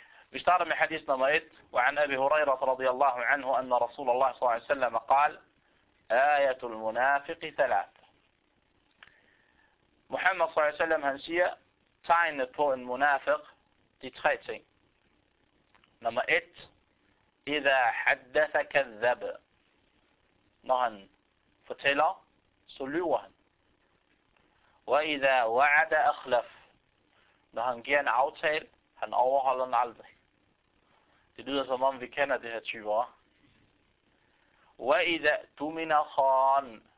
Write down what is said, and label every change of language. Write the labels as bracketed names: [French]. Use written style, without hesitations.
[Danish] Vi starter med hadith nummer 1, [Arabic] وعن أبي هريرة رضي الله عنه أن رسول الله صلى الله عليه وسلم قال آية المنافق ثلاث. محمد صلى الله عليه وسلم [Danish] han siger, tegnet på en munafiq, de tre ting. Nummer 1, [Arabic] إذا حدث كذب. [Danish] Når han fortæller, så lyver han. [Arabic] وإذا وعد أخلف. [Danish] Når han giver en aftale, han overholder den aldrig. Det lyder som om, vi kender det her typer. [Arabic] وَإِذَا تُمِنَ خَانْ.